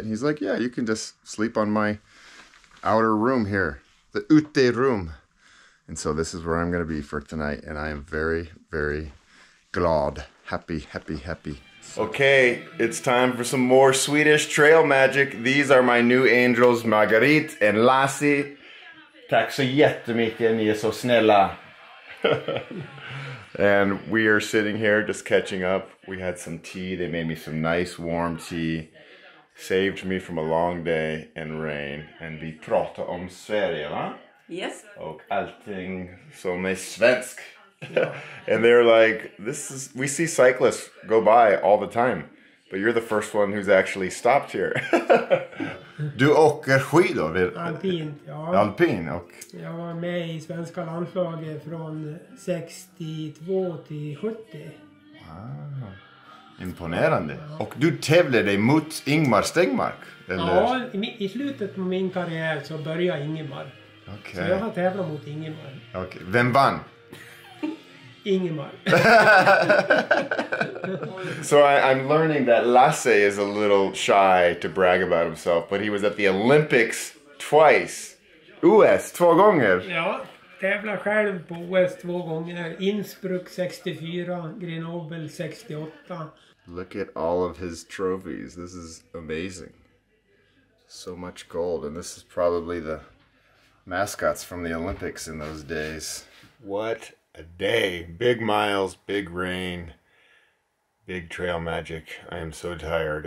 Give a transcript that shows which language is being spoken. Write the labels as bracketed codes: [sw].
[en] And he's like, yeah, you can just sleep on my outer room here. The ute room. And so this is where I'm going to be for tonight. And I am very, very glad. Happy, happy, happy. Okay, it's time for some more Swedish trail magic. These are my new angels, Margarit and Lassie. [sv] Tack så jättemycket, ni är så snälla. [en] And we are sitting here just catching up. We had some tea. They made me some nice warm tea. Saved me from a long day and rain. [sv] And vi pratar om Sverige, va? [en] Yes. [sv] Och allting som är svensk. [en] And they're like, we see cyclists go by all the time, but you're the first one who's actually stopped here. [sv] Du åker skidor? Alpint, ja. Alpin, och jag var med i svenska landslaget från 62 till 70. Wow. Imponerande. Ja. Och du tävlade mot Ingmar Stenmark? Eller? Ja, i slutet av min karriär så började Ingmar. [en] Okay. [sv] Så jag har tävlat mot Ingmar. Okay. Vem vann? Ingemar. [en] So I'm learning that Lasse is a little shy to brag about himself, but he was at the Olympics twice. [sv] OS, två gånger. Ja, tävlar själv på OS två gånger. Innsbruck 64, Grenoble 68. [en] Look at all of his trophies. This is amazing. So much gold. And this is probably the mascots from the Olympics in those days. What a day. Big miles, big rain, big trail magic. I am so tired.